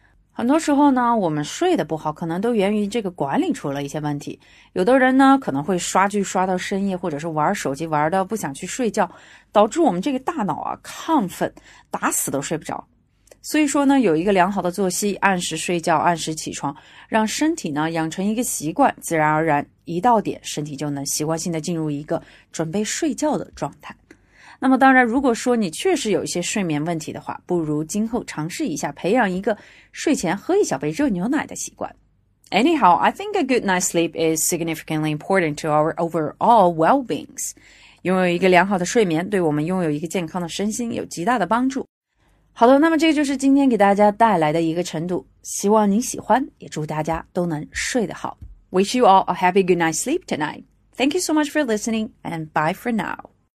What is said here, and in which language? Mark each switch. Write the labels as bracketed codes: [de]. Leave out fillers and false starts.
[zh] 很多时候呢我们睡得不好可能都源于这个管理出了一些问题有的人呢可能会刷剧刷到深夜或者是玩手机玩的不想去睡觉导致我们这个大脑啊亢奋打死都睡不着所以说呢有一个良好的作息按时睡觉按时起床让身体呢养成一个习惯自然而然一到点身体就能习惯性的进入一个准备睡觉的状态那么当然如果说你确实有一些睡眠问题的话不如今后尝试一下培养一个睡前喝一小杯热牛奶的习惯。 [en] Anyhow, I think a good night's sleep is significantly important to our overall well-beings. [zh] 拥有一个良好的睡眠对我们拥有一个健康的身心有极大的帮助。好的，那么这个就是今天给大家带来的一个晨读，希望您喜欢，也祝大家都能睡得好。 [en] Wish you all a happy good night's sleep tonight. Thank you so much for listening and bye for now.